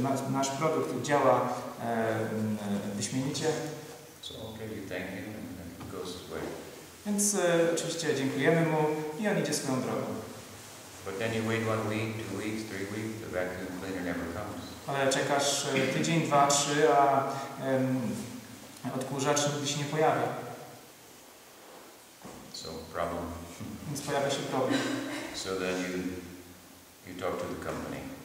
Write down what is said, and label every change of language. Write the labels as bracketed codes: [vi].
[pl] Nasz produkt działa wyśmienicie. [en] So okay, thank you, and it goes his way. [pl] Więc oczywiście dziękujemy mu i on idzie swoją drogą. [en] But then you wait 1 week, 2 weeks, 3 weeks, the vacuum cleaner never comes. [pl] Ale czekasz tydzień, dwa, trzy, a odkurzacz nigdy się nie pojawia. [en] So problem. [pl] Więc pojawia się problem. [en] So then you talk to the company.